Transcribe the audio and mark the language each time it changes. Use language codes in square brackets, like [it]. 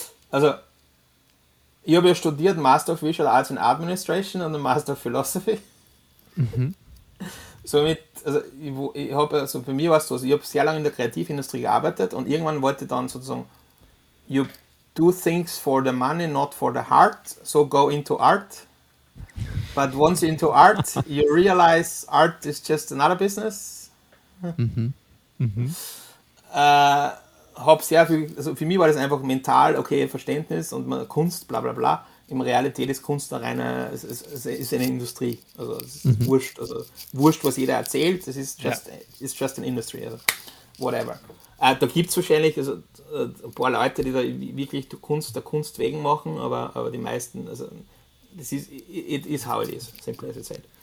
[de] Also ich habe ja studiert Master of Visual Arts and Administration und Master of Philosophy. Somit, also ich habe, also für mich war es so, ich habe sehr lange in der Kreativindustrie gearbeitet und irgendwann wollte ich dann sozusagen, [en] you do things for the money, not for the heart, so go into art. But once you're into art, you realize art is just another business. [de] Habe sehr viel, also für mich war das einfach mental, okay, Verständnis und man, Kunst, bla bla bla. In Realität ist Kunst eine reine, ist eine Industrie. Also es ist wurscht. Also wurscht, was jeder erzählt, es ist just, ja, ist [en] just an industry. [de] Also, whatever. Da gibt es wahrscheinlich also, ein paar Leute, die da wirklich Kunst der Kunst wegen machen, aber die meisten, also das ist [en] it is how it is, simple as it said.